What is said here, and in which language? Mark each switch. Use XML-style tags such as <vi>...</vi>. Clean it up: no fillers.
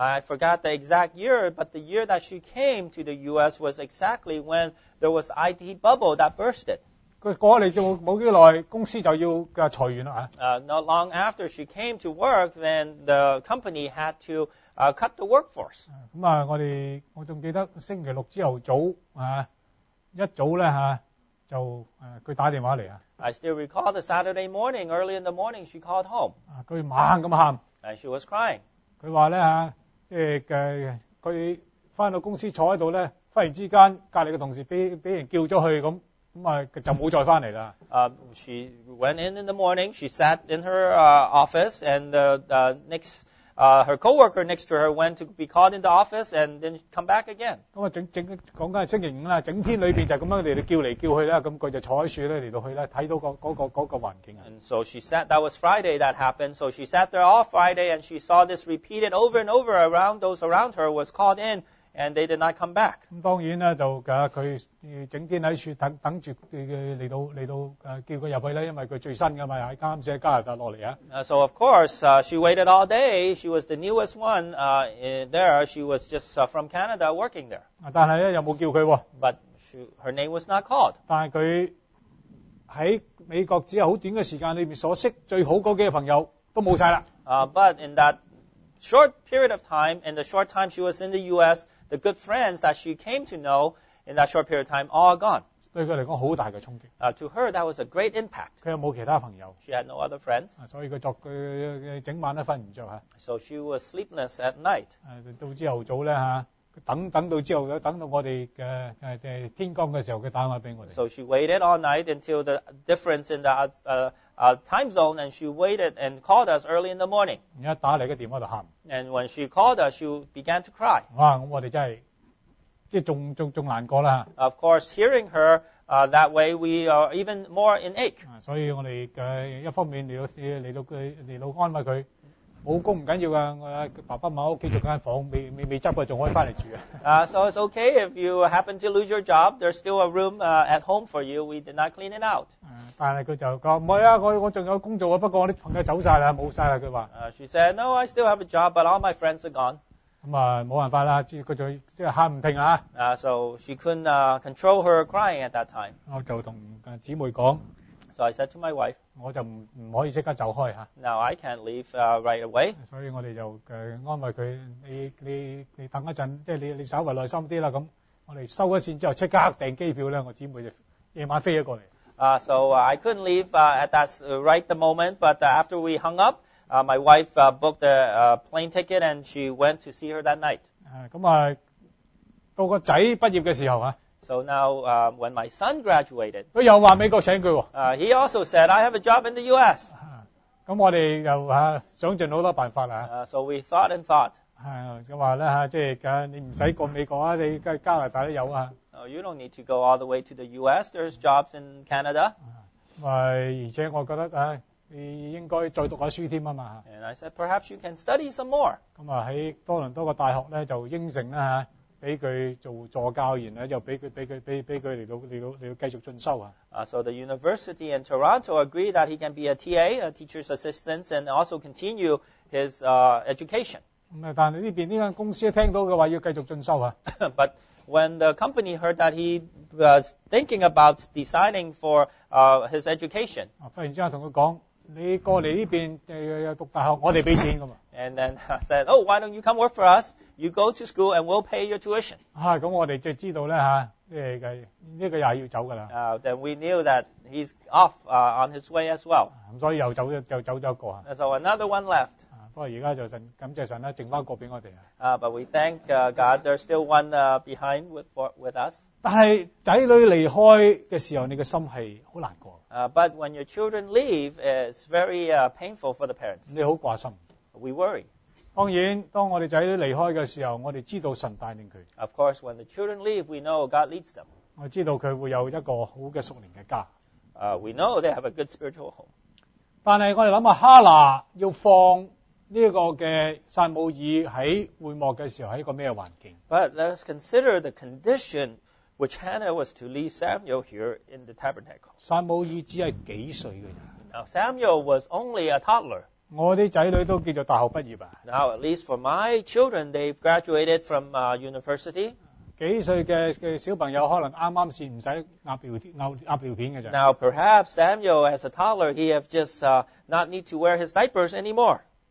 <en>I forgot the exact year, but the year that she came to the U.S. was exactly when there was IT bubble that bursted.</en> <yue>佢過嚟就冇幾耐，公司就要嘅裁員啦嚇。</yue> <en>Not long after she came to work, then the company had to cut the workforce.</en> <yue>咁啊，我仲記得星期六朝頭早啊，一早咧嚇就佢打電話嚟啊。</yue> <en>I still recall the Saturday morning, early in the morning, she called home.</en> <yue>佢猛咁喊。</yue> <en>And she was crying.</en> <yue>佢話咧嚇，即係佢翻到公司坐喺度咧，忽然之間隔離嘅同事俾人叫咗去咁。就冇再翻嚟啦。</yue> <en>She went in the morning. She sat in her office, and her coworker next to her went to be called in the office and then come back again.</en> <yue>咁啊，講緊係星期五啦，整天裏邊就咁樣嚟叫嚟叫去啦。咁佢就坐喺樹咧嚟到去咧，睇到嗰個環境啊。</yue> <en>And so she sat. That was Friday that happened. So she sat there all Friday, and she saw this repeated over and over around those around her was called in. And they did not come back.</en> <yue>咁當然咧，就佢整天喺樹等住嚟到叫佢入去咧，因為佢最新噶嘛，喺啱先喺加拿大落嚟啊。</yue> <en>So of course, she waited all day. She was the newest one. There, she was just from Canada working there.</en> <yue>但係咧又冇叫佢喎。</yue> <en>But her name was not called.</en> <yue>但係佢喺美國只有好短嘅時間裏面所識最好嗰幾個朋友都冇曬啦。</yue> <en>But in that short period of time, in the short time she was in the U.S., the good friends that she came to know in that short period of time all gone.</en> <yue>對佢嚟講好大嘅衝擊。</yue> <en>To her, that was a great impact.</en> <yue>佢又冇其他朋友。</yue> <en>She had no other friends.</en> <yue>所以佢整晚都瞓唔著。</yue> <en>So she was sleepless at night.</en> <yue>到朝頭早咧嚇，等到朝頭，等到我哋嘅天光嘅時候，佢打電話俾我哋。</yue> <en>So she waited all night until the difference in the time zone, and she waited and called us early in the morning.</en> <yue>一打嚟嘅電話就喊。</yue> <en>And when she called us, she began to cry. 哇！</en> <yue>我哋真係即係仲難過啦。</yue> <en>Of course, hearing her that way, we are even more in ache.</en> <yue>所以我哋一方面嚟到安慰佢。冇工唔緊要㗎，爸爸媽媽屋企仲間房未執㗎，仲可以翻嚟住啊。</yue> <en>So it's okay if you happen to lose your job, there's still a room at home for you. We did not clean it out.</en> <yue>但係佢就講唔係啊，我仲有工作啊，不過我啲朋友走曬啦，冇曬啦，佢話。</yue> <en>She said, no, I still have a job, but all my friends are gone.</en> <yue>咁啊，冇辦法啦，佢就即係喊唔停啊。</yue> <en>So she couldn't control her crying at that time.</en> <yue>我就同姊妹講。</yue> <en>So I said to my wife,</en> <yue>我就唔可以即刻走開嚇。</yue> <en>Now I can't leave right away.</en> <yue>所以我哋就安慰佢，你等一陣，即係你稍為耐心啲啦。咁我哋收咗線之後，即刻訂機票咧。我姊妹就夜晚飛咗過嚟。</yue> <en>So I couldn't leave at that right the moment, but after we hung up, my wife booked a plane ticket and she went to see her that night.</en> <yue>咁啊，到個仔畢業嘅時候啊。</yue> <en>So now, when my son graduated,</en> <yue>佢又話美國請佢喎。</yue> <en>He also said, I have a job in the U.S.</en> <yue>咁我哋又想盡好多辦法啦。</yue> <en>So we thought and thought.</en> <yue>佢話咧即係你唔使過美國啊，你加拿大都有啊。</yue> <en>You don't need to go all the way to the U.S. There's jobs in Canada.</en> <yue>而且我覺得你應該再讀下書添啊嘛。</yue> <en>And I said, perhaps you can study some more.</en> <yue>咁喺多倫多個大學咧就應承啦俾佢做助教員咧，又俾佢嚟到繼續進修啊！</yue> <en>So the university in Toronto agreed that he can be a TA, a teacher's assistant, and also continue his education.</en> <yue>但呢边呢间公司听到嘅话要继续进修啊。</yue> <en>But when the company heard that he was thinking about deciding for his education,</en> <yue>忽然之间同佢讲，你过嚟呢边读大学，我哋俾钱噶嘛。</yue> <en>And then I said, oh, why don't you come work for us? You go to school and we'll pay your tuition.</en> <yue>啊，咁我哋就知道咧吓，呢个又要走噶啦。</yue> <en>Then we knew that he's off on his way as well.</en> <yue>咁所以又走咗一个啊。</yue> <en>So another one left.</en> <yue>不過而家就神感謝神啦，剩翻個俾我哋啊。</yue> <en>But we thank God, there's still one behind with us.</en> <yue>但係仔女離開嘅時候，你嘅心係好難過。</yue> <en>But when your children leave, it's very painful for the parents.</en> <yue>你好掛心。</yue> <en>We worry.</en> <yue>當然，當我哋仔女離開嘅時候，我哋知道神帶領佢。</yue> <en>Of course, when the children leave, we know God leads them.</en> <yue>我知道佢會有一個好嘅屬靈嘅家。</yue> <en>We know they have a good spiritual home.</en> <yue>但係我哋諗下哈拿要放。这个嘅撒母耳喺会幕嘅时候系一个咩环境</yue> <en>？But let us consider the condition which Hannah was to leave Samuel here in the tabernacle.</en> <yue>撒母耳只系几岁嘅咋</yue> <en>？Now Samuel was only a toddler.</en> <yue>我啲仔女都叫做大学毕业啊。</yue> <en>Now at least for my children, they've graduated from university.</en> <yue>几岁嘅小朋友可能啱啱先唔使压尿片嘅咋</yue> <en>？Now perhaps Samuel as a toddler, he have just not need to wear his diapers anymore.</en>